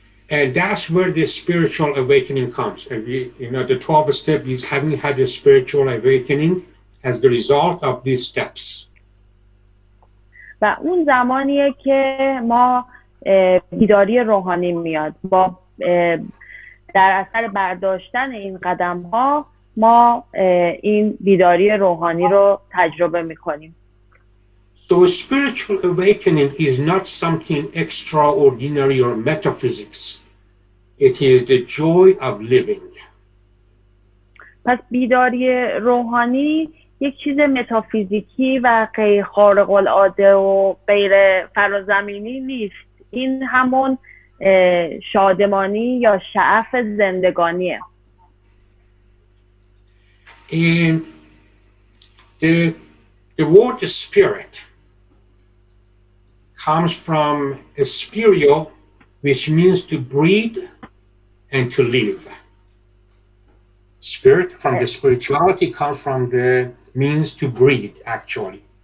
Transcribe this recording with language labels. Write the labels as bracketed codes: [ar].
[en] And that's where the spiritual awakening comes. You know, the 12th step is having had a spiritual awakening as the result of these steps. [fa] و اون زمانیه که ما بیداری روحانی میاد با در اثر برداشتن این قدم ها ما این بیداری روحانی رو تجربه میکنیم. [en] So spiritual awakening is not something extraordinary or metaphysics. It is the joy of living. [fa] پس بیداری روحانی یک چیز متافیزیکی و غیر خارق العاده و غیر فرازمینی نیست. این همون شادمانی یا شعف زندگانیه. [en] And the word spirit comes from spirio, which means to breathe and to live. Spirit from the spirituality comes from the means to breathe, actually.